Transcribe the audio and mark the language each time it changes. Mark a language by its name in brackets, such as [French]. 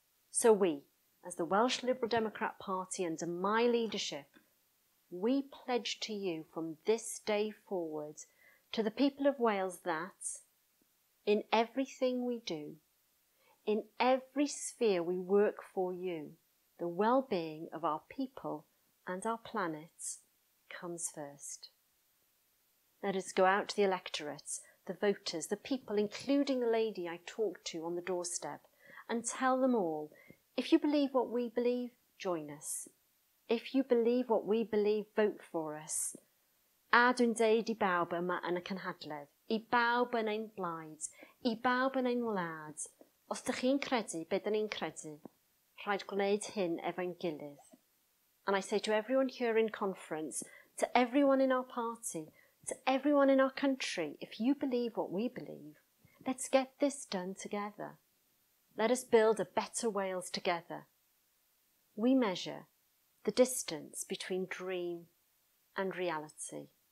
[English] So we, as the Welsh Liberal Democrat Party under my leadership, we pledge to you from this day forward, to the people of Wales, that in everything we do, in every sphere we work for you, the well-being of our people and our planet comes first. Let us go out to the electorate, the voters, the people, including the lady I talked to on the doorstep, and tell them all, if you believe what we believe, join us. If you believe what we believe, vote for us. [Welsh] A dwi'n deud I bawb yma yn y cynhadledd, I bawb yn ein blaid, I bawb yn ein wlad, os dych chi'n credu be dyn ni'n credu, rhaid gwneud hyn efo'n gilydd. [English] And I say to everyone here in conference, to everyone in our party, to everyone in our country, if you believe what we believe, let's get this done together. Let us build a better Wales together. We measure the distance between dream and reality.